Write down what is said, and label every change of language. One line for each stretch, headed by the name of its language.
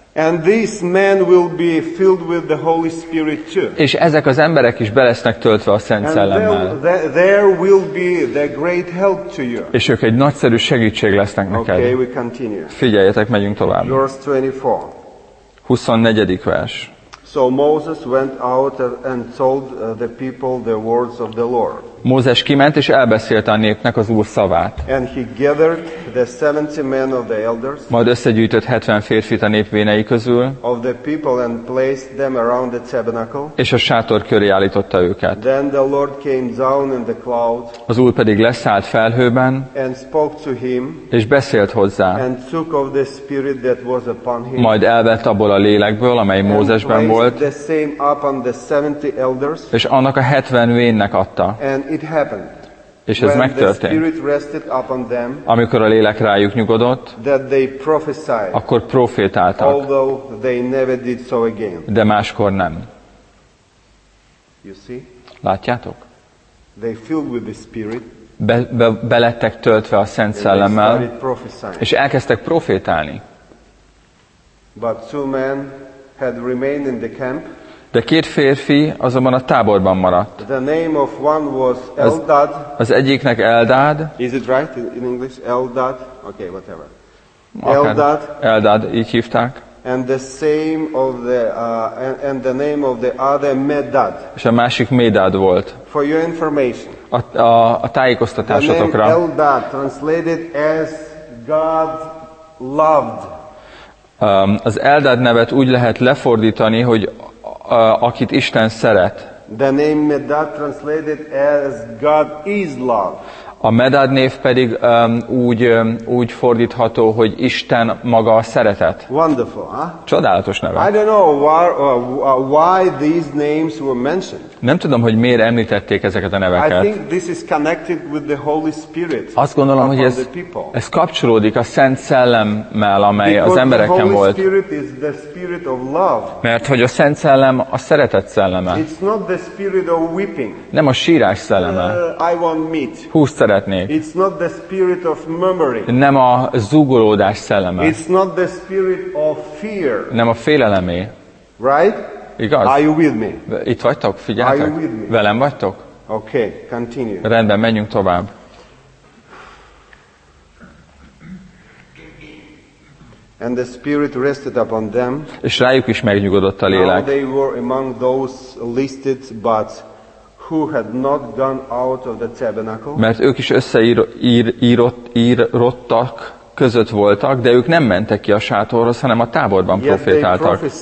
English: And these men will be filled with the Holy Spirit too.
Hungarian: És ezek az emberek is be lesznek töltve a Szent Szellemmel.
English: There will be the great help to you.
Hungarian: És ők egy nagyszerű segítség lesznek neked.
English: Okay, we continue.
Hungarian: Figyeljetek, megyünk tovább.
English: Verse 24.
Hungarian: 24. vers.
English: So Moses went out and told the people the words of the Lord.
Hungarian: Mózes kiment és elbeszélte a népnek az Úr szavát.
English: And he gathered the 70 men of the elders.
Hungarian: Majd összegyűjtött 70 férfit a nép vénei közül.
English: Of the people and placed them around the tabernacle.
Hungarian: És a sátor köré állította őket.
English: Then the Lord came down in the cloud.
Hungarian: Az Úr pedig leszállt felhőben.
English: And spoke to him.
Hungarian: És beszélt hozzá.
English: And took of the spirit that was upon him.
Hungarian: Majd elvett abból a lélekből, amely Mózesben volt.
English: And placed the same upon the 70 elders.
Hungarian: És annak a 70 vénnek adta.
English: It happened.
Hungarian: És ez megtörtént.
English: The spirit rested upon them,
Hungarian: amikor a lélek rájuk nyugodott,
English: that they prophesied,
Hungarian: akkor profétáltak,
English: although they never did so again.
Hungarian: De máskor nem.
English: You see?
Hungarian: Látjátok?
English: They filled with the spirit,
Hungarian: belettek töltve a Szent Szellemmel, és elkezdtek profétálni.
English: But two men had remained in the camp.
Hungarian: De két férfi azonban a táborban maradt.
English: The name of one was Eldad.
Hungarian: Az egyiknek Eldad.
English: Is it right in English? Eldad. Okay, whatever.
Hungarian: Eldad. Eldad, így hívták.
English: And the same of the and the name of the other Medad.
Hungarian: És a másik Medad volt.
English: For your information.
Hungarian: A tájékoztatásatokra.
English: The name Eldad translated as God loved.
Hungarian: Az Eldad nevet úgy lehet lefordítani, hogy akit Isten szeret.
English: The name Medad translated as God is love.
Hungarian: A Medad név pedig úgy fordítható, hogy Isten maga a szeretet.
English: Wonderful, huh?
Hungarian: Csodálatos neve.
English: I don't know why these names were mentioned.
Hungarian: Nem tudom, hogy miért említették ezeket a neveket.
English: I think this is connected with the Holy Spirit.
Hungarian: Azt gondolom, hogy ez kapcsolódik a Szent Szellemmel, amely
English: Because
Hungarian: az embereken volt.
English: Spirit is the spirit of love.
Hungarian: Mert hogy a Szent Szellem a szeretet szelleme.
English: It's not the spirit of weeping.
Hungarian: Nem a sírás szelleme.
English: I want meat.
Hungarian: Húsz szeretnék.
English: It's not the spirit of memory.
Hungarian: Nem a zúgolódás szelleme.
English: It's not the spirit of fear.
Hungarian: Nem a félelemé.
English: Right?
Hungarian: Igaz?
English: Are you with me?
Hungarian: Itt vagytok? Figyeltek?
English: Are you with me?
Hungarian: Velem vagytok?
English: Okay, continue.
Hungarian: Rendben, menjünk tovább.
English: And the spirit rested upon them.
Hungarian: És rájuk is megnyugodott a lélek.
English: Now they were among those listed, but who had not gone out of the tabernacle.
Hungarian: Mert ők is összeírottak között voltak, de ők nem mentek ki a sátorhoz, hanem a táborban profétáltak.